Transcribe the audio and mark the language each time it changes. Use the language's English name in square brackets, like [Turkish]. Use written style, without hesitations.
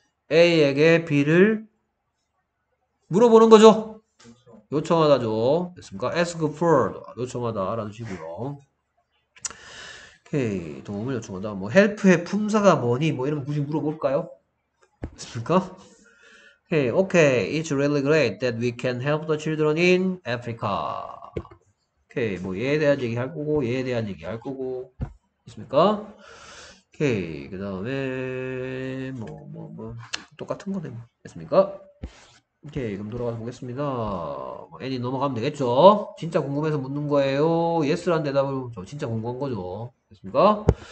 [Korean] A에게 B를 물어보는 거죠. 요청하다죠. 됐습니까? [English] Ask for. [Korean] 요청하다. 알아두시고요. 오케이. 도움을 요청한다. 뭐, help의 품사가 뭐니? 뭐, 이런 거 굳이 물어볼까요? 됐습니까? 오케이. [English] It's really great that we can help the children in Africa. [Korean] 오케이. 뭐, 얘에 대한 얘기 할 거고, 얘에 대한 얘기 할 거고. 됐습니까? 오케이. 그 다음에, 똑같은 거네. 됐습니까? 오케이 그럼 돌아가서 보겠습니다. 애니 넘어가면 되겠죠? 진짜 궁금해서 묻는 거예요. 예스란 대답을 저 진짜 궁금한 거죠. 됐습니까?